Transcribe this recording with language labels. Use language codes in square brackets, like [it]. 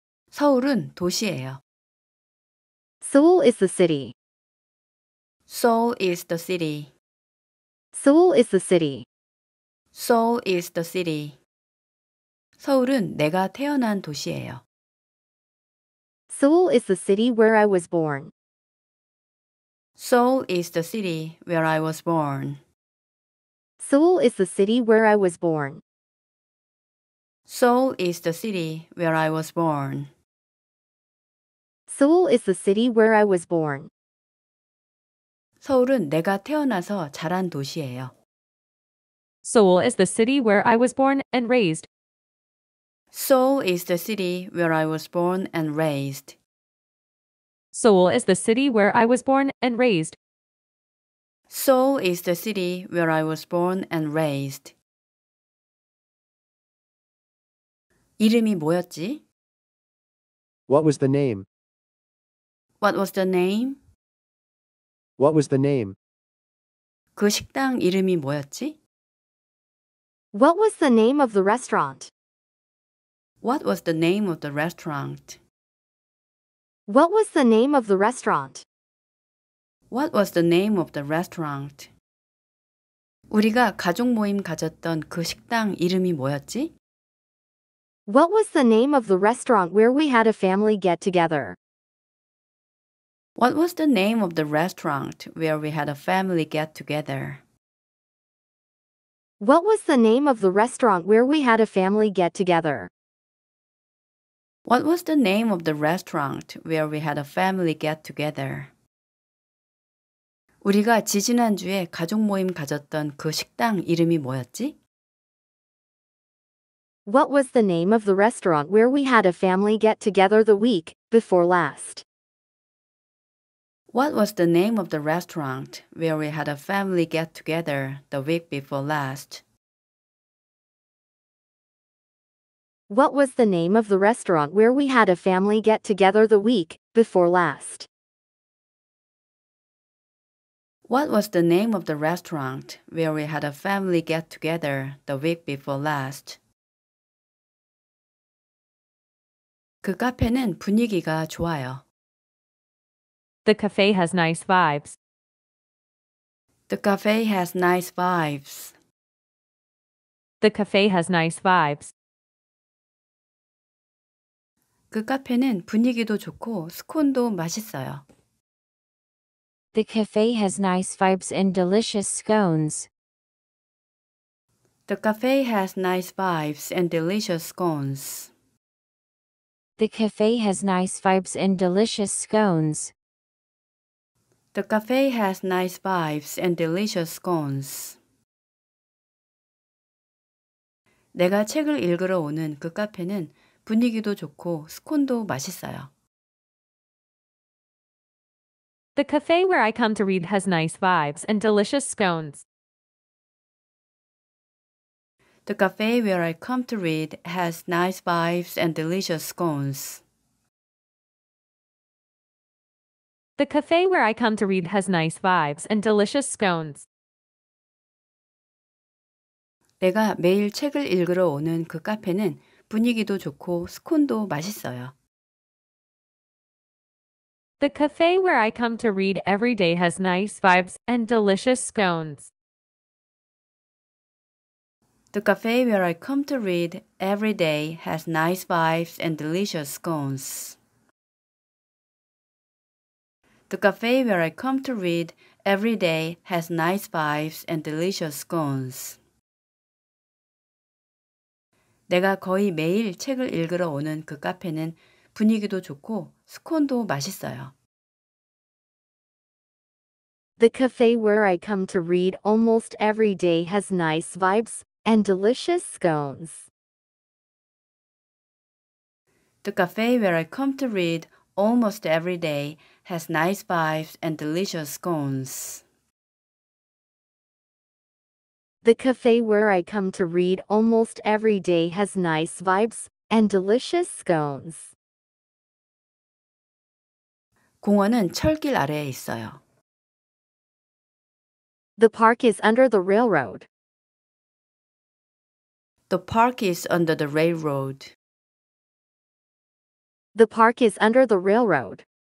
[ko] 서울은 도시예요. [en] Seoul is the city. Seoul is the city. Seoul is the city. Seoul is the city. [ko] 서울은 내가 태어난 도시예요. [en] Seoul is the city where I was born. Seoul is the city where I was born. Seoul is the city where I was born. Seoul is the city where I was born. Seoul is the city where I was born. [ko] 서울은 내가 태어나서 자란 도시예요. [en] Seoul is the city where I was born and raised. Seoul is the city where I was born and raised. Seoul is the city where I was born and raised. Seoul is the city where I was born and raised. [ko] 이름이 뭐였지? [en] What was the name? What was the name? What was the name? [ko] 그 식당 이름이 뭐였지? [en] What was the name of the restaurant? What was the name of the restaurant? What was the name of the restaurant? What was the name of the restaurant? [ko] 우리가 가족 모임 가졌던 그 식당 이름이 뭐였지? [en] What was the name of the restaurant where we had a family get together? What was the name of the restaurant where we had a family get together? What was the name of the restaurant where we had a family get together? What was the name of the restaurant where we had a family get together? [ko] 우리가 지지난주에 가족 모임 가졌던 그 식당 이름이 뭐였지? [en] What was the name of the restaurant where we had a family get together the week before last? What was the name of the restaurant where we had a family get together the week before last? What was the name of the restaurant where we had a family get together the week before last? What was the name of the restaurant where we had a family get together the week before last? [ko] 그 카페는 분위기가 좋아요. [en] The cafe has nice vibes. The cafe has nice vibes. The cafe has nice vibes. [ko] 그 카페는 분위기도 좋고 스콘도 맛있어요. [en] The cafe has nice vibes and delicious scones. The cafe has nice vibes and delicious scones. The cafe has nice vibes and delicious scones. The cafe has nice vibes and delicious scones. [ko] 내가 책을 읽으러 오는 그 카페는 분위기도 좋고 스콘도 맛있어요. [en] The cafe where I come to read has nice vibes and delicious scones. The cafe where I come to read has nice vibes and delicious scones. The cafe where I come to read has nice vibes and delicious scones. [ko] 내가 매일 책을 읽으러 오는 그 카페는 분위기도 좋고 스콘도 맛있어요. [en] The cafe where I come to read every day has nice vibes and delicious scones. The cafe where I come to read every day has nice vibes and delicious scones. The cafe where I come to read every day has nice vibes and delicious scones. [ko] 내가 거의 매일 책을 읽으러 오는 그 카페는 분위기도 좋고 스콘도 맛있어요. [en] The cafe where I come to read almost every day has nice vibes and delicious scones. The cafe where I come to read almost every day has nice vibes and delicious scones. The cafe where I come to read almost every day has nice vibes and delicious scones. [ko] 공원은 철길 아래에 있어요. [en] The park is under the railroad. The park is under the railroad. The park is under the railroad.